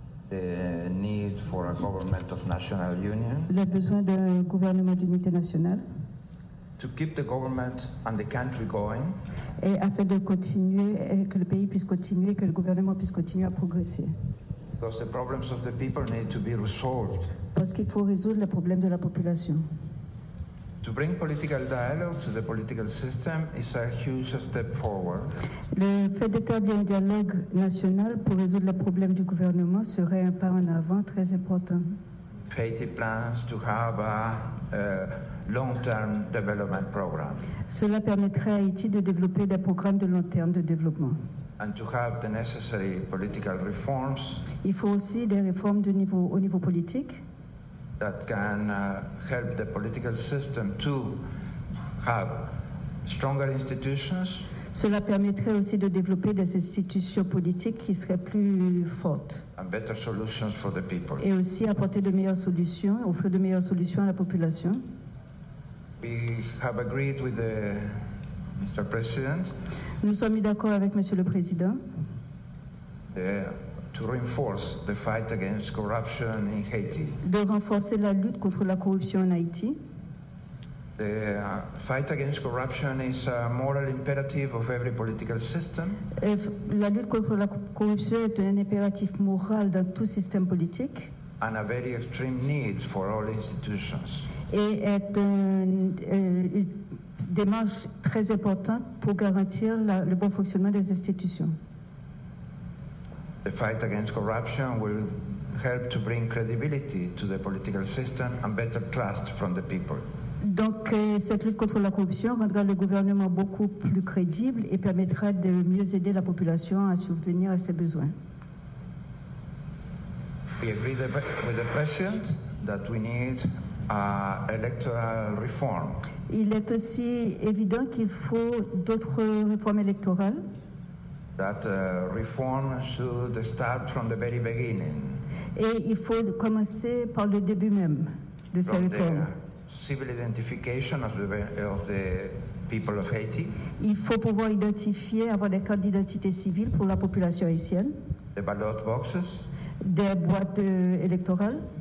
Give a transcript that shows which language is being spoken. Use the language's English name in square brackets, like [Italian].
[English] The need for a government of national union. [French] Le besoin d'un gouvernement d'unité nationale. [English] To keep the government and the country going. [French] Et afin de continuer, que le pays puisse continuer, que le gouvernement puisse continuer à progresser. [English] Because the problems of the people need to be resolved. [French] Parce qu'il faut résoudre les problèmes de la population. [English] To bring political dialogue to the political system is a huge step forward. [French] Le fait d'établir un dialogue national pour résoudre les problèmes du gouvernement serait un pas en avant très important. [English] Faites plans to have a long-term development program. [French] Cela permettrait à Haïti de développer des programmes de long terme de développement. [English] And to have the necessary political reforms. [French] Il faut aussi des réformes de niveau, au niveau politique. [English] That can help the political system to have stronger institutions. [French] Cela permettrait aussi de développer des institutions politiques qui seraient plus fortes. [English] And better solutions for the people. [French] Et aussi apporter de meilleures solutions, offrir de meilleures solutions à la population. [English] We have agreed with the Mr. President. [French] Nous sommes mis d'accord avec Monsieur le Président. [English] To reinforce the fight against corruption in Haiti. [French] De renforcer la lutte contre la corruption en Haïti. [English] The fight against corruption is a moral imperative of every political system. [French] La lutte contre la corruption est un impératif moral dans tout système politique. [English] And a very extreme need for all institutions. [French] Et est une démarche très importante pour garantir le bon fonctionnement des institutions. [English] The fight against corruption will help to bring credibility to the political system and better trust from the people. [French] Donc, cette lutte contre la corruption rendra le gouvernement beaucoup plus crédible et permettra de mieux aider la population à subvenir à ses besoins. [English] We agree with the president that we need electoral reform. [French] Il est aussi évident qu'il faut d'autres réformes électorales. [English] That reform should start from the very beginning. [French] Et il faut commencer par le début même de ces réformes. [English] Civil identification of the people of Haiti. [French] Il faut pouvoir identifier, avoir des cartes d'identité civile pour la population haïtienne. [English] The ballot boxes. [French] Des boîtes électorales.